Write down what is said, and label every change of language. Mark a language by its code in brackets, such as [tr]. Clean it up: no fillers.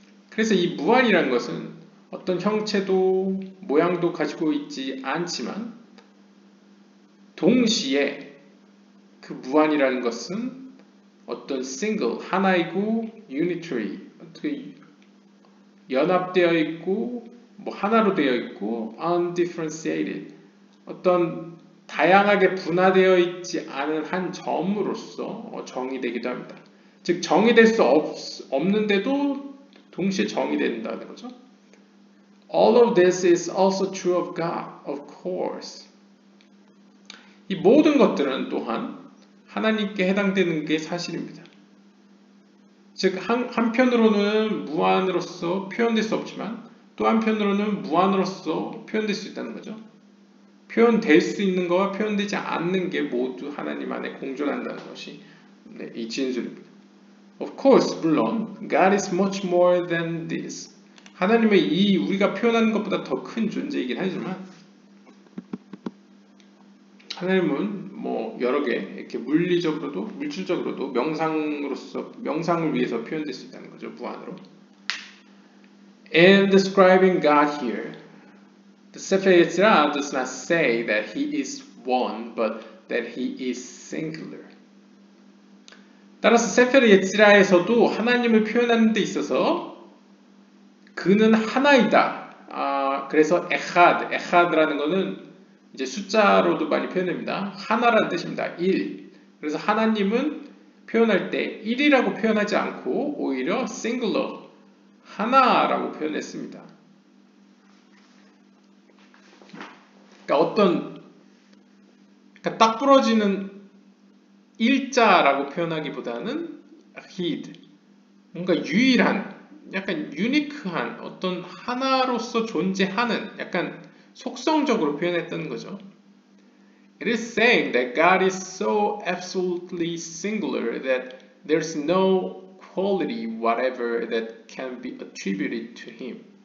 [ko] 그래서 이 무한이란 것은 어떤 형체도 모양도 가지고 있지 않지만 동시에 그 무한이라는 것은 어떤 single 하나이고 unitary 어떻게 연합되어 있고 뭐 하나로 되어 있고 undifferentiated 어떤 다양하게 분화되어 있지 않은 한 점으로서 정의되기도 합니다. 즉 정의될 수 없는데도 동시에 정의된다는 거죠. [en] All of this is also true of God, of course. [ko] 이 모든 것들은 또한 하나님께 해당되는 게 사실입니다. 즉 한편으로는 무한으로서 표현될 수 없지만 또 한편으로는 무한으로서 표현될 수 있다는 거죠. 표현될 수 있는 것과 표현되지 않는 게 모두 하나님 안에 공존한다는 것이 네, 이 진술입니다. [en] Of course, [ko] 물론, [en] God is much more than this. [ko] 하나님의 이 우리가 표현하는 것보다 더 큰 존재이긴 하지만 하나님은 뭐 여러 개 이렇게 물리적으로도 물질적으로도 명상으로서 명상을 위해서 표현될 수 있다는 거죠 무한으로. [en] In describing God here, the Sefer Yetzirah does not say that He is one, but that He is singular. [ko] 따라서 세페르 예찌라에서도 하나님을 표현하는 데 있어서 그는 하나이다. 그래서 에하드라는 것은 이제 숫자로도 많이 표현됩니다. 하나라는 뜻입니다. 1. 그래서 하나님은 표현할 때 1이라고 표현하지 않고 오히려 singular, 하나라고 표현했습니다. 그러니까 어떤 그러니까 딱 부러지는 일자라고 표현하기보다는 heed, 뭔가 유일한, 약간 유니크한, 어떤 하나로서 존재하는, 약간 속성적으로 표현했던 거죠. [en] It is saying that God is so absolutely singular that there's no quality whatever that can be attributed to Him.